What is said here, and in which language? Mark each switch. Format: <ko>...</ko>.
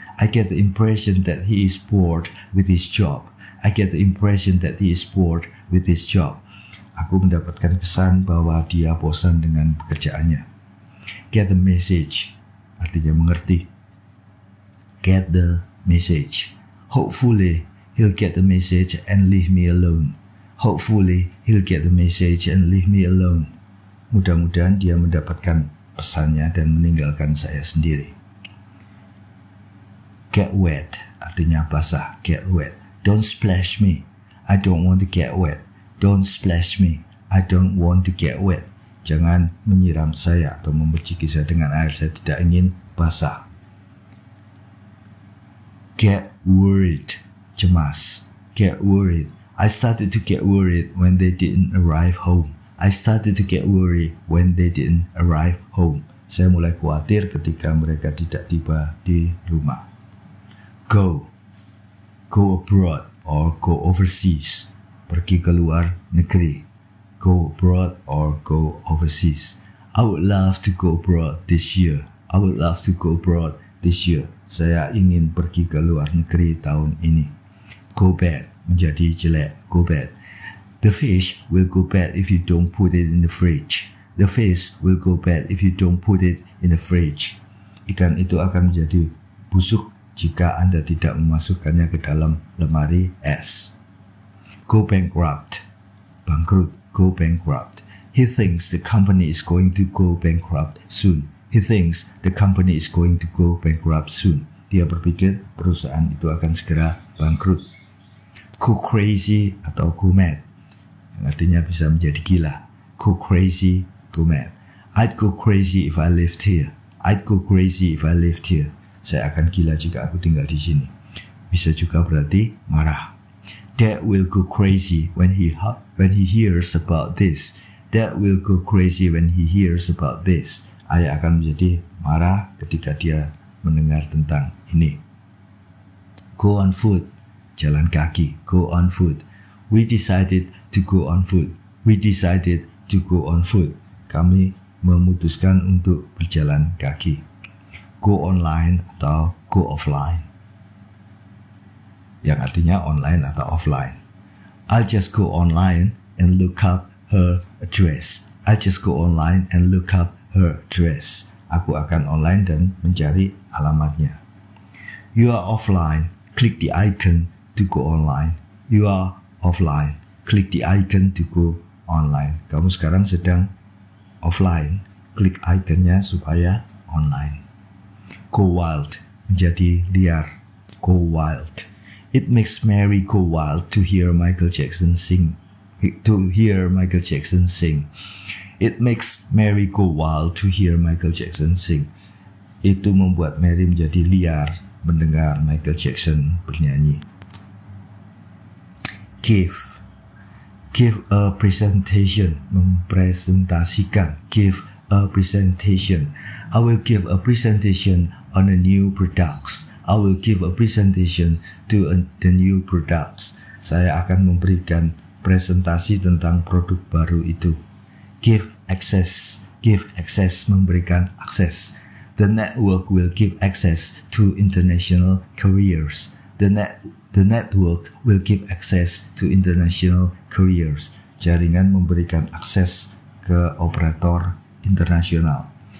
<en>I get the impression that he is bored with his job. I get the impression that he is bored with his job.</en> <id>Aku mendapatkan kesan bahwa dia bosan dengan pekerjaannya.</id> <en>Get the message.</en> <id>Artinya mengerti.</id> <en>Get the message. Hopefully, he'll get the message and leave me alone. Hopefully, he'll get the message and leave me alone.</en> <id>Mudah-mudahan dia mendapatkan pesannya dan meninggalkan saya sendiri.</id> <en>Get wet,</en> <id>artinya basah.</id> <en>Get wet. Don't splash me. I don't want to get wet. Don't splash me. I don't want to get wet.</en> <id>Jangan menyiram saya atau membeciki saya dengan air. Saya tidak ingin basah.</id> <en>Get worried.</en> <id>Cemas.</id> <en>Get worried. I started to get worried when they didn't arrive home. I started to get worried when they didn't arrive home.</en> <id>Saya mulai khawatir ketika mereka tidak tiba di rumah.</id> <en>Go. Go abroad or go overseas.</en> <id>Pergi ke luar negeri.</id> <en>Go abroad or go overseas. I would love to go abroad this year. I would love to go abroad this year.</en> <id>Saya ingin pergi ke luar negeri tahun ini.</id> <en>Go bad.</en> <id>Menjadi jelek.</id> <en>Go bad. The fish will go bad if you don't put it in the fridge. The fish will go bad if you don't put it in the fridge.</en> <id>Ikan itu akan menjadi busuk jika Anda tidak memasukkannya ke dalam lemari es.</id> <en>Go bankrupt.</en> <id>Bangkrut. Go bankrupt.</id> <en>He thinks the company is going to go bankrupt soon. He thinks the company is going to go bankrupt soon.</en> <id>Dia berpikir perusahaan itu akan segera bangkrut.</id> <en>Go crazy</en> <id>atau</id> <en>go mad.</en> <id>Yang artinya bisa menjadi gila.</id> <en>Go crazy, go mad. I'd go crazy if I lived here. I'd go crazy if I lived here.</en> <id>Saya akan gila jika aku tinggal di sini. Bisa juga berarti marah.</id> <en>Dad will go crazy when he hears about this. Dad will go crazy when he hears about this.</en> <id>Ayah akan menjadi marah ketika dia mendengar tentang ini.</id> <en>Go on foot.</en> <id>Jalan kaki.</id> <en>Go on foot. We decided to go on foot. We decided to go on foot.</en> <id>Kami memutuskan untuk berjalan kaki.</id> <en>Go online</en> <id>atau</id> <en>go offline.</en> <id>Yang artinya online atau offline.</id> <en>I'll just go online and look up her address. I'll just go online and look up her address.</en> <id>Aku akan online dan mencari alamatnya.</id> <en>You are offline. Click the icon to go online. You are offline. Click the icon to go online.</en> <id>Kamu sekarang sedang offline. Klik iconnya supaya online.</id> <en>Go wild.</en> <id>Menjadi liar.</id> <en>Go wild. It makes Mary go wild to hear Michael Jackson sing. To hear Michael Jackson sing. It makes Mary go wild to hear Michael Jackson sing.</en> <id>Itu membuat Mary menjadi liar mendengar Michael Jackson bernyanyi.</id> <en>Give a presentation.</en> <id>Mempresentasikan.</id> <en>Give a presentation. I will give a presentation on the new products. I will give a presentation to the new products.</en> <id>Saya akan memberikan presentasi tentang produk baru itu.</id> <en>Give access,</en> <id>memberikan akses.</id> <en>The network will give access to international careers. The network will give access to international careers.</en> <id>Jaringan memberikan akses ke operator internasional.</id>